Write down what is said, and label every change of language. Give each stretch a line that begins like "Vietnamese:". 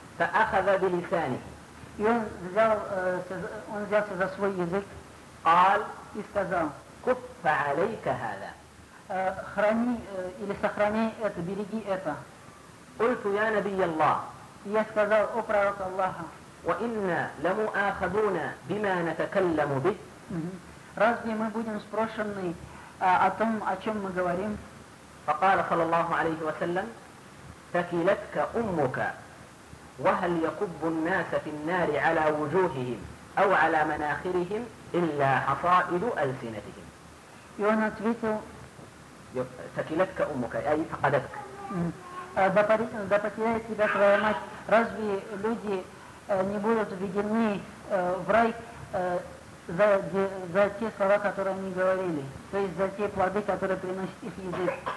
Arabic: «Фааха билисани».
Russian: И он взялся за свой язык.
Arabic: «Кал».
Russian: И сказал:
Arabic: «Куффа алейка хада».
Russian: Храни или сохрани это, береги это.
Arabic: قلت يا نبي الله.
Russian: Я сказал: о пророк Аллаха.
Arabic: وإنا لمؤاخذون بما نتكلم به.
Russian: Разве мы будем спрошены о том, о чем мы говорим?
Arabic: فقال صلى الله عليه وسلم: ثكلتك أمك وهل يكب الناس في النار على وجوههم أو على مناخرهم إلا حصائد ألسنتهم.
Russian: И он ответил:
Arabic: ثكلتك أمك, أي فقدتك.
Russian: Да потеряет тебя твоя мать, разве люди не будут введены в рай за те слова, которые они говорили, то есть за те плоды, которые приносит их язык?